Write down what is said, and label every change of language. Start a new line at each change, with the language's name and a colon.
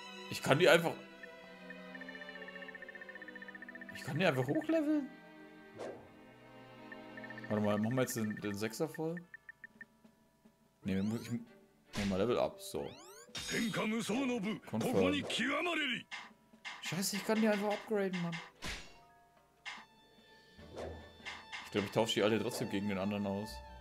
German: Ich kann die einfach. Ich kann die einfach hochleveln. Warte mal, machen wir jetzt den Sechser voll? Ne, dann muss ich. Machen wir mal Level up, so.
Japanese: 天下無双の部、ここに極まれり。
German: Scheiße, ich kann die einfach upgraden, Mann. Ich glaube, ich tausche die alle trotzdem gegen den anderen aus.